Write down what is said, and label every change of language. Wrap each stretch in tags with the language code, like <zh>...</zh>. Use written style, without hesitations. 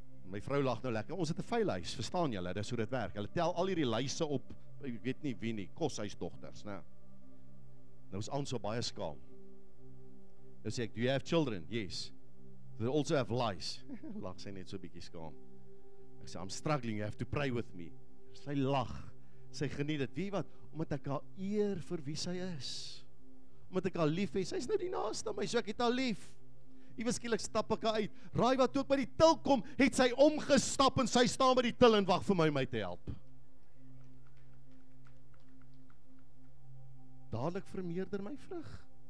<af>My vrou lag nou lekker, ons het een veilhuis, verstaan julle, dis hoe dit werk, hulle tel al hierdie lyse op, ek weet nie wie nie, koshuisdogters, ne? Nou is Anso baie skaam. Nou sê ek,</af> <en>do you have children? Yes. They also have lice.</en> <af>Lag sy net so bietjie skaam. Ek sê,</af> <en>I'm struggling, you have to pray with me.</en> <af>Sy lag, sy geniet het, weet wat, omdat ek haar eer vir wie sy is. Omdat ek haar lief is, sy is nou die naaste aan my, so ek het haar lief. Iewerskielik stap ek uit, raai wat ook by die til kom, het sy omgestap en sy staan by die til en wacht vir my om my te help. Dadelijk vermeerder my vrug.</af>